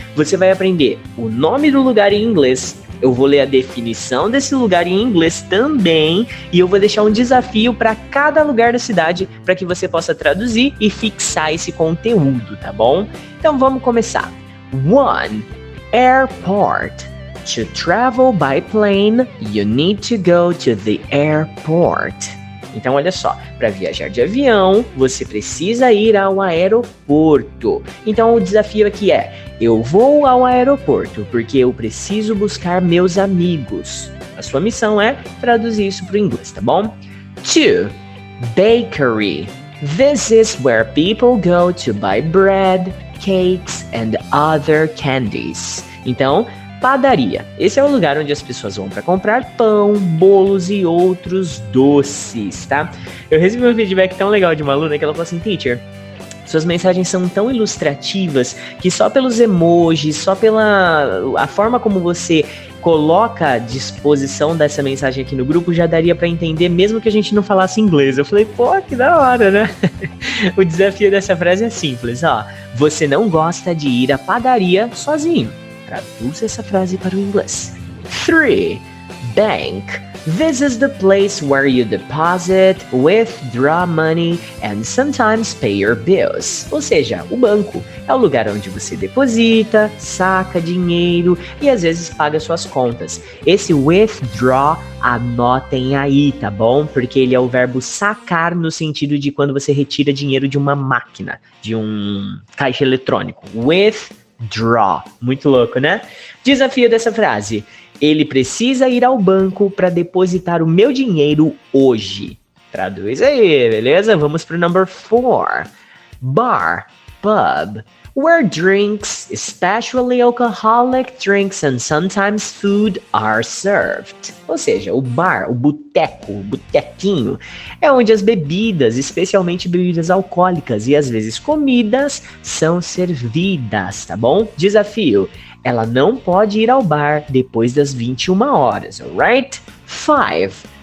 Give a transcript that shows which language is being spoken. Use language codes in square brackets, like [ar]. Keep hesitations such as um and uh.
[pt] Você vai aprender o nome do lugar em inglês, eu vou ler a definição desse lugar em inglês também e eu vou deixar um desafio para cada lugar da cidade para que você possa traduzir e fixar esse conteúdo, tá bom? Então vamos começar. [en] One Airport. To travel by plane, you need to go to the airport. [pt] Então, olha só, para viajar de avião, você precisa ir ao aeroporto. Então, o desafio aqui é: eu vou ao aeroporto porque eu preciso buscar meus amigos. A sua missão é traduzir isso para o inglês, tá bom? [en] 2. Bakery. This is where people go to buy bread, cakes and other candies. [pt] Então, padaria. Esse é o lugar onde as pessoas vão para comprar pão, bolos e outros doces, tá? Eu recebi um feedback tão legal de uma aluna que ela falou assim: Teacher, suas mensagens são tão ilustrativas que só pelos emojis, só pela a forma como você coloca à disposição dessa mensagem aqui no grupo, já daria para entender mesmo que a gente não falasse inglês. Eu falei, pô, que da hora, né? o desafio dessa frase é simples, ó. Você não gosta de ir à padaria sozinho. Traduz essa frase para o inglês. 3. Bank. [en] This is the place where you deposit, withdraw money and sometimes pay your bills. [pt] Ou seja, o banco é o lugar onde você deposita, saca dinheiro e às vezes paga suas contas. Esse withdraw, anotem aí, tá bom? Porque ele é o verbo sacar no sentido de quando você retira dinheiro de uma máquina, de um caixa eletrônico. With draw. Muito louco, né? Desafio dessa frase. Ele precisa ir ao banco para depositar o meu dinheiro hoje. Traduz aí, beleza? Vamos pro [en] number 4. Bar, pub, where drinks, especially alcoholic drinks and sometimes food are served. [pt] Ou seja, o bar, o boteco, o botequinho, é onde as bebidas, especialmente bebidas alcoólicas e às vezes comidas, são servidas, tá bom? Desafio: ela não pode ir ao bar depois das 21 horas, alright? 5.